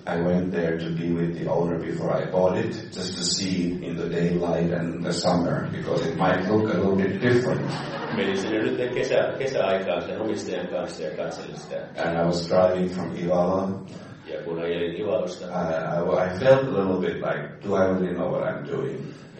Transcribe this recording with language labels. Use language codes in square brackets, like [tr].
[en] I went there to be with the owner before I bought it, just to see in the daylight and the summer, because it might look a little bit different. [fi] Menin sinne nyt kesäaikaan sen omistajan kanssa ja katselin sitä. [en] And I was driving from Ivalo. [fi] Ja kun ajelin Ivalosta. [en] I felt a little bit like, do I really know what I'm doing?